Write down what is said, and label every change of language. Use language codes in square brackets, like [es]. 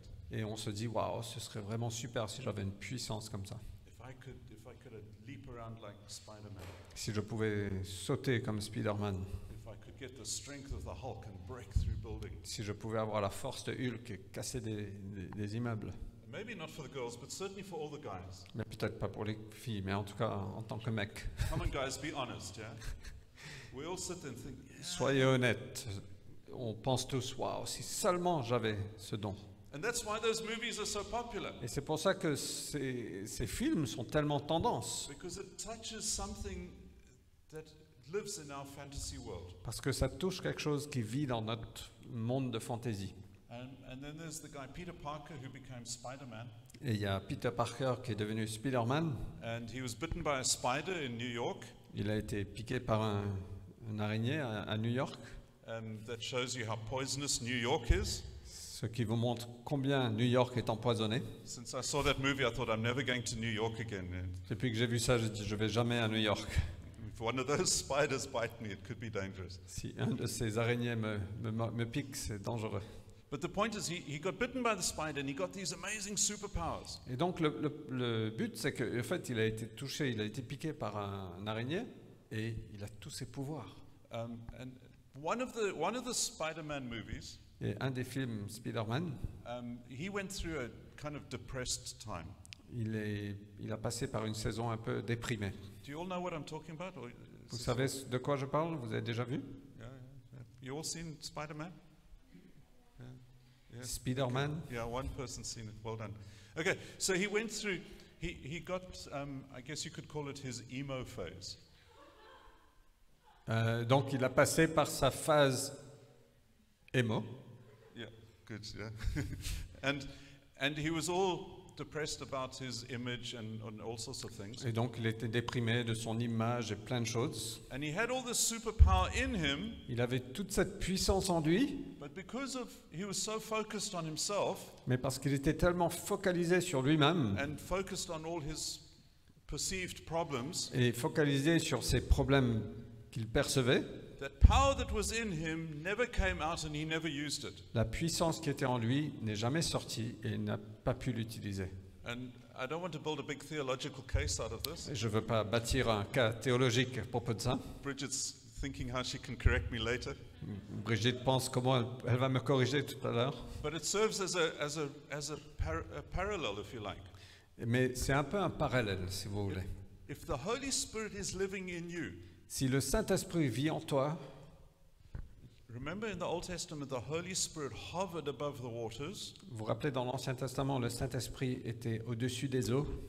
[fr] Et on se dit, waouh, ce serait vraiment super si j'avais une puissance comme ça. [en] If I could leap around like Spider-Man. [fr] Si je pouvais sauter comme Spider-Man. [en] The strength of the Hulk and break through buildings. [fr] Si je pouvais avoir la force de Hulk et casser des immeubles. [en] Maybe not for the girls, but certainly for all the guys. [fr] Mais peut-être pas pour les filles, mais en tout cas en tant que mec. [en] Come on guys, be honest, yeah. We all sit and think, yeah. [fr] Soyez honnête. On pense tous, waouh, si seulement j'avais ce don. [en] And that's why those movies are so popular. [fr] Et c'est pour ça que ces films sont tellement tendance. [en] Because it touches something that lives in our fantasy world. [fr] Parce que ça touche quelque chose qui vit dans notre monde de fantasy. [en] And then there's the guy Peter Parker who became Spider-Man. [fr] Et il y a Peter Parker qui est devenu Spider-Man. [en] And he was bitten by a spider in New York. [fr] Il a été piqué par une araignée à New York. [en] And that shows you how poisonous New York is. [fr] Ce Ce qui vous montre combien New York est empoisonné. [en] Since I saw that movie, I thought I'm never going to New York again. [fr] Depuis que j'ai vu ça, je dis je vais jamais à New York. [en] If one of those spiders bite me, it could be dangerous. [fr] Si un de ces araignées me pique, c'est dangereux. [en] But the point is, he got bitten by the spider and he got these amazing superpowers. [fr] Et donc le but c'est que en fait il a été touché, il a été piqué par un araignée et il a tous ses pouvoirs. [en] And one of the Spider-Man movies. [fr] Et un des films Spider-Man. [en] He went through a kind of depressed time. [fr] Il a passé par une saison un peu déprimée. [en] Do you all know what I'm talking about? [fr] Vous savez de quoi je parle? Vous avez déjà vu? [en] Yeah. You all seen Spider-Man? Yeah. Spider-Man. Okay. Yeah, one person seen it. Well done. Okay, so he went through. He got. I guess you could call it his emo phase. [fr] Donc il a passé par sa phase emo. [en] Yeah, good. Yeah. and he was all depressed about his image and all sorts of things. [fr] Et donc il était déprimé de son image et plein de choses. [en] And he had all this superpower in him. [fr] Il avait toute cette puissance en lui. [en] But because of he was so focused on himself. [fr] Mais parce qu'il était tellement focalisé sur lui-même. [en] And focused on all his perceived problems. [fr] Et focalisé sur ses problèmes qu'il percevait. [en] That power that was in him never came out and he never used it. [fr] La puissance qui était en lui n'est jamais sortie et il n'a pas pu l'utiliser. [en] And I don't want to build a big theological case out of this. [fr] Et je veux pas bâtir un cas théologique à propos de ça. [en] Bridget's thinking how she can correct me later. [fr] Bridget pense comment elle va me corriger tout à l'heure. [en] But it serves as a parallel if you like. [fr] Mais c'est un peu un parallèle si vous voulez. [en] If the Holy Spirit is living in you. [fr] Si le Saint-Esprit vit en toi, [en] remember in the Old Testament, the Holy Spirit hovered above the waters. [fr] Vous rappelez dans l'Ancien Testament, le Saint-Esprit était au-dessus des eaux.